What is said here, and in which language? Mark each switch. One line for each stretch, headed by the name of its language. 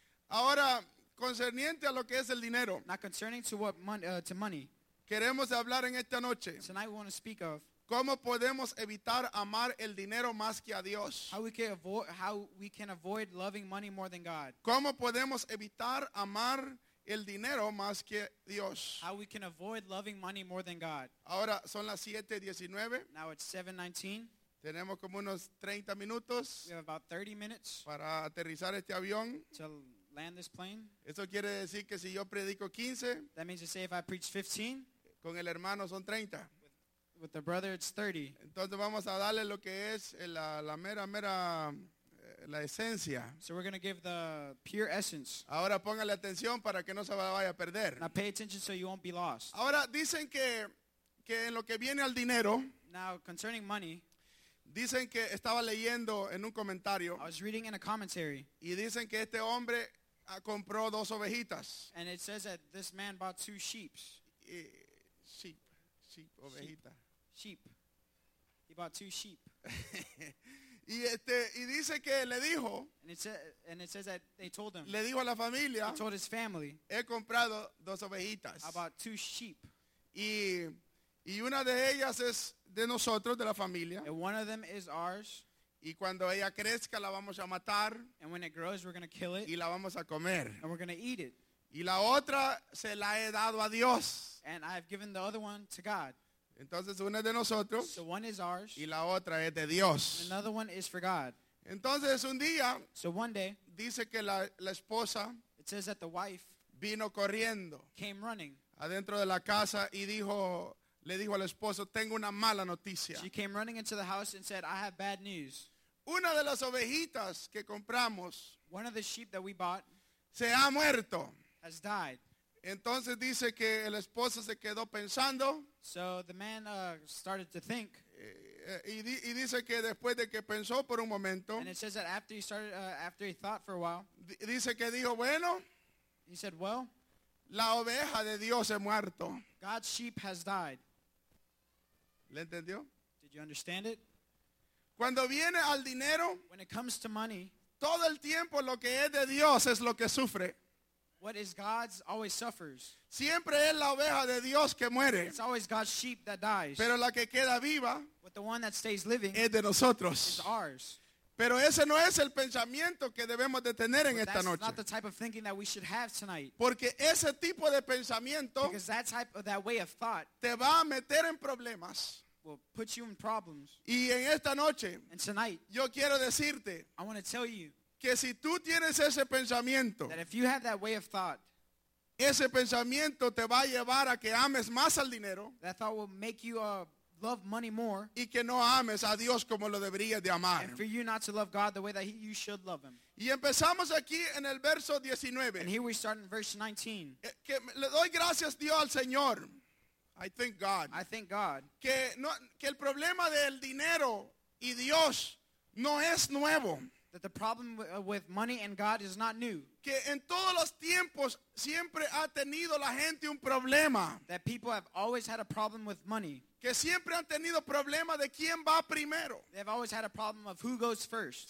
Spanish: Ahora, concerniente a lo que es el dinero.
English: Now concerning to what to money.
Spanish: Queremos hablar en esta noche.
English: Tonight we want to speak of.
Spanish: ¿Cómo podemos evitar amar el dinero más que a Dios?
English: How we can avoid loving money more than God.
Spanish: ¿Cómo podemos evitar amar el dinero más que Dios?
English: How we can avoid loving money more than God.
Spanish: Ahora son las 7:19.
English: Now it's 7:19.
Spanish: Tenemos como unos 30 minutos.
English: We have about 30 minutes.
Spanish: Para aterrizar este avión.
English: To land this plane.
Spanish: Eso quiere decir que si yo predico 15.
English: That means to say if I preach 15.
Spanish: Con el hermano son 30.
English: With the brother it's 30.
Spanish: Entonces vamos a darle lo que es la mera. La esencia.
English: So we're going to give the pure essence.
Spanish: Ahora póngale atención para que no se vaya a perder.
English: Now pay attention so you won't be lost.
Spanish: Ahora dicen que en lo que viene al dinero.
English: Now concerning money.
Spanish: Dicen que estaba leyendo en un comentario.
English: I was reading in a commentary.
Spanish: Y dicen que este hombre compró dos ovejitas.
English: And it says that this man bought two sheep. Sheep. Sheep. Ovejita. Sheep. He bought two sheep.
Spanish: Y este, y dice que le dijo,
English: and it says that they told him,
Spanish: le dijo a la familia,
English: he told his family,
Spanish: he comprado dos ovejitas.
English: I bought two sheep.
Spanish: Y una de ellas es de nosotros, de la familia.
English: And one of them is ours.
Spanish: Y cuando ella crezca, la vamos a matar.
English: And when it grows, we're going to kill it.
Spanish: Y la vamos a comer.
English: And we're going to eat it.
Spanish: Y la otra se la he dado a Dios.
English: And I've given the other one to God.
Spanish: Entonces una es de nosotros.
English: So one is ours.
Spanish: Y la otra es de Dios.
English: And another one is for God.
Spanish: Entonces un día.
English: So one day.
Spanish: Dice que la esposa.
English: It says that the wife.
Spanish: Vino corriendo.
English: Came running.
Spanish: Adentro de la casa y dijo. Le dijo al esposo, tengo una mala noticia.
English: She came running into the house and said, I have bad news.
Spanish: Una de las ovejitas que compramos.
English: One of the sheep that we bought.
Spanish: Se ha muerto.
English: Has died.
Spanish: Entonces dice que el esposo se quedó pensando.
English: So the man started to think.
Spanish: Y dice que después de que pensó por un momento.
English: And it says that after he started, after he thought for a while.
Spanish: Dice que dijo, bueno.
English: He said, well.
Spanish: La oveja de Dios ha muerto.
English: God's sheep has died.
Spanish: ¿Le entendió?
English: Did you understand it?
Spanish: Cuando viene al dinero.
English: When it comes to money.
Spanish: Todo el tiempo lo que es de Dios es lo que sufre.
English: What is God's always suffers.
Spanish: Siempre es la oveja de Dios que muere.
English: It's always God's sheep that dies.
Spanish: Pero la que queda viva.
English: But the one that stays living.
Spanish: Es de nosotros.
English: Is ours.
Spanish: Pero ese no es el pensamiento que debemos de tener
English: but
Spanish: en esta noche.
English: That's not the type of thinking that we should have tonight.
Spanish: Porque ese tipo de pensamiento.
English: Because that type of that way of thought.
Spanish: Te va a meter en problemas.
English: Will put you in problems.
Spanish: Y en esta noche.
English: And tonight.
Spanish: Yo quiero decirte.
English: I want to tell you.
Spanish: Que si tú tienes ese pensamiento,
English: that if you have that way of thought,
Spanish: ese pensamiento te va a llevar a que ames más al dinero,
English: that thought will make you love money more,
Spanish: y que no ames a Dios como lo deberías de amar,
English: and for you not to love God the way that you should love him.
Spanish: Y empezamos aquí en el verso 19.
English: And here we start in verse 19.
Spanish: Que le doy gracias Dios al Señor.
English: I thank God.
Spanish: Que no, que el problema del dinero y Dios no es nuevo.
English: That the problem with money and God is not new.
Spanish: Que en todos los tiempos siempre ha tenido la gente un problema.
English: That people have always had a problem with money.
Spanish: Que siempre han tenido problema de quién va primero.
English: They've always had a problem of who goes first.